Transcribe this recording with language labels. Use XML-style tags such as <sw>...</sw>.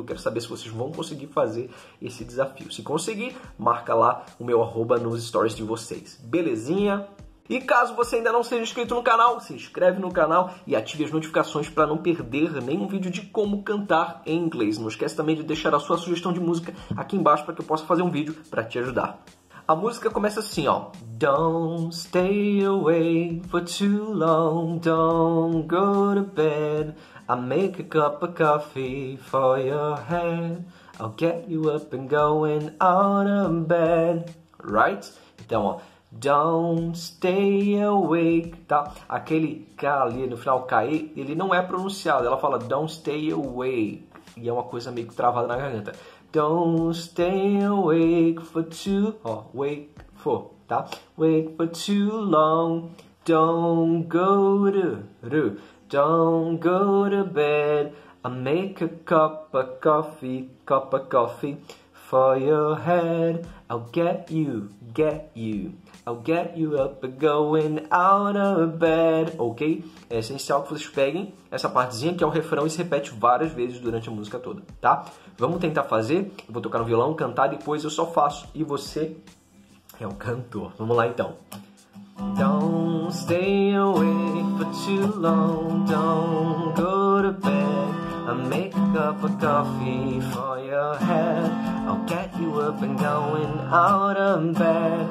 <pt>Eu quero saber se vocês vão conseguir fazer esse desafio. Se conseguir, marca lá o meu arroba nos stories de vocês, belezinha? E caso você ainda não seja inscrito no canal, se inscreve no canal e ative as notificações para não perder nenhum vídeo de como cantar em inglês. Não esquece também de deixar a sua sugestão de música aqui embaixo para que eu possa fazer um vídeo para te ajudar. A música começa assim, ó.</pt> <en>Don't stay away for too long, don't go to bed. I'll make a cup of coffee for your head. I'll get you up and going out of bed.</en> <pt>Right? Então, ó.</pt> <en>Don't stay awake,</en> <pt>tá? Aquele K ali no final, K-E, ele não é pronunciado. Ela fala</pt> <en>don't stay awake.</en> <pt>E é uma coisa meio que travada na garganta.</pt> <en>Don't stay awake for too... Ó, wake for, tá? Wake for too long. Don't go to... Ru. Don't go to bed. I make a cup of coffee. Cup of coffee. For your head, I'll get you, I'll get you up and going out of bed, ok?</en> <pt>É essencial que vocês peguem essa partezinha que é o refrão e se repete várias vezes durante a música toda, tá? Vamos tentar fazer, eu vou tocar no violão, cantar, depois eu só faço e você é o cantor. Vamos lá então.</pt> <en>Don't stay away for too long, don't go to bed. I'll make a cup of coffee for your head. I'll get you up and going out of bed.</en>